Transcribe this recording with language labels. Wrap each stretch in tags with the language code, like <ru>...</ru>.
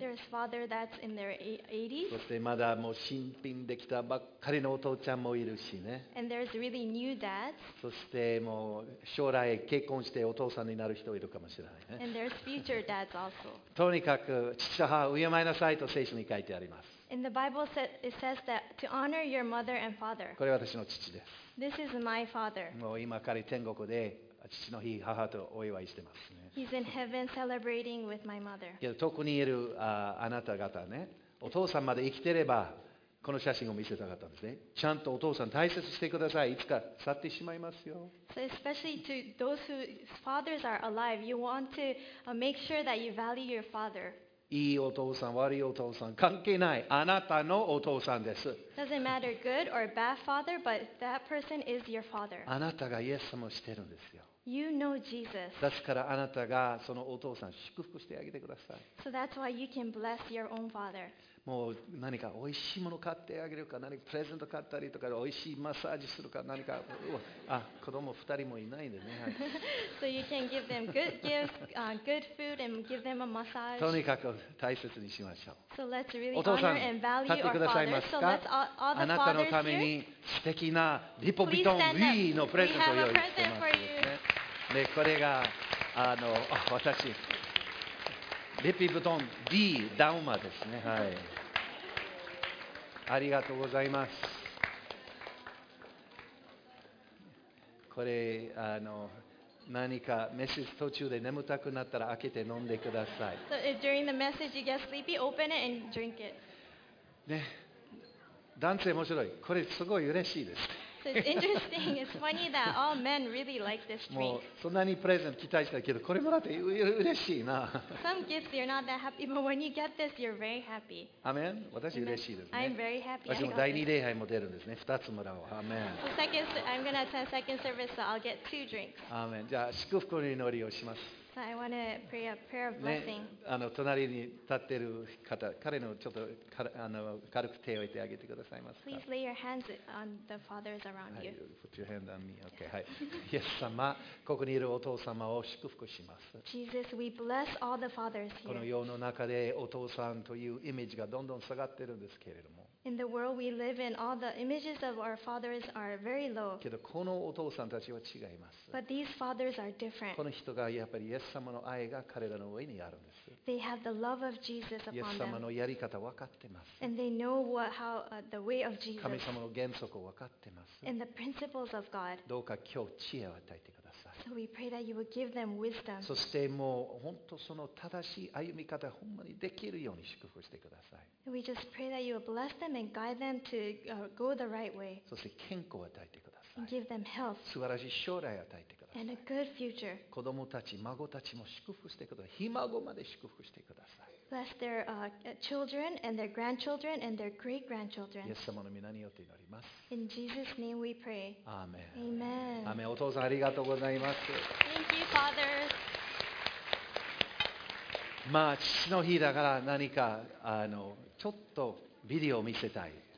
<en>There's father that's in their 80s.</en> <ja>そしてまだもう新品できたばっかりのお父ちゃんもいるしね。</ja> <en>And there's really new dads.</en> <ja>そしてもう将来結婚してお父さんになる人いるかもしれないね。</ja> <en>And there's future dads also.</en> <ja>とにかく父と母を敬いなさいと聖書に書いてあります。</ja> <en>And the Bible says that to honor your mother and father.</en> <ja>これ私の父です。</ja> <en>This is my father.</en> <ja>もう今から天国で父の日母とお祝いしてますね。</ja> <en>He's in heaven celebrating with my mother.</en> <ja>けど、特にいるあなた方ね、お父さんまで生きてればこの写真を見せたかったんですね。ちゃんとお父さん大切してください。いつか去ってしまいますよ。</ja> <en>So especially to those whose fathers are alive, you want to make sure that you value your father.</en> <ja>いいお父さん、悪いお父さん関係ない。あなたのお父さんです。</ja> <en>Doesn't matter good or bad father, but that person is your father.</en> <ja>あなたがイエス様をしてるんですよ。</ja> <en>You know Jesus.</en> <ja>ですからあなたがそのお父さん祝福してあげてください。</ja> <en>So that's why you can bless your own father.</en> <ja>もう何かおいしいもの買ってあげるか、何かプレゼント買ったりとか、おいしいマッサージするか、何か、あ、子供2人もいないんでね。</ja> <en>So you can give them good gifts, good food, and give them a massage.</en> <ja>とにかく大切にしましょう。</ja> <en>So let's really honor and value our father.</en> <ja>お父さん、立ってくださいますか？</ja> <en>So let's all the fathers here.</en> <ja>あなたのために素敵なリポビトン V のプレゼントを用意してます。でこれがあの私リピブトン D ダウマですね、はい、ありがとうございます。これあの何かメッセージ途中で眠たくなったら開けて飲んでください。</ja> <en>So if during the message you get sleepy, open it and drink it.</en> <ja>ね、男性面白い、これすごい嬉しいです。</ja> <en>It's interesting. It's funny that all men really like this drink.</en> <ja>もうそんなにプレゼント期待したけど、これもらって嬉しいな。</ja> <en>Some gifts you're not that happy, but when you get this, you're very happy.</en> <ja>Amen. 私嬉しいですね。</ja> <en>I'm very happy.</en> <ja>私も第二礼拝も出るんですね。二つもらおう。Amen.</ja> <en>The second, I'm gonna attend second service, so I'll get two drinks. Amen.</en> <ja>じゃあ祝福の祈りをします。</ja> <en>So I want to pray a prayer of blessing.、</en> <ja>ね、あの隣に立ってる方、彼のちょっとかあの軽く手を置いてあげてくださいますか。</ja> <en>Please lay your hands on the fathers around you. Put your hand on me. Okay. はい。</en> <ja>イエス様、ここにいるお父様を祝福します。</ja> <en>Jesus, we bless all the fathers here.</en> <ja>この世の中でお父さんというイメージがどんどん下がってるんですけれども。</ja> <en>In the world we live in, all the images of our fathers are very low.</en> <ja>けどこのお父さんたちは違います。</ja> <en>But these fathers are different.</en> <ja>この人がやっぱりイエス様の愛が彼らの上にあるんです。</ja> <en>They have the love of Jesus upon them.</en> <ja>イエス様のやり方わかってます。</ja> <en>And they know what, how, the way of Jesus.</en> <ja>神様の原則をわかってます。</ja> <en>And the principles of God.</en> <ja>どうか今日知恵を与えてください。</ja> <en>So we pray that you would give them wisdom.</en> <ja>そしてもう本当その正しい歩み方ほんまにできるように祝福してください。</ja> <en>We just pray that you would bless them and guide them to go the right way.</en> <ja>そして健康を与えてください。</ja> <en>And give them health.</en> <ja>素晴らしい将来を与えてください。</ja> <en>And a good future.</en> <ja>子供たち、孫たちも祝福してください。ひ孫まで祝福してください。</ja> <en>Bless their children and their grandchildren and their great grandchildren.</en> <ja>イエス様の皆によって祈ります。</ja> <en>In Jesus' name we pray. Amen. Amen.</en> <ja>お父さんありがとうございます。</ja> <en>Thank you, Father.</en> <ja>まあ、父の日だから何かあのちょっとビデオを見せたい。</ja>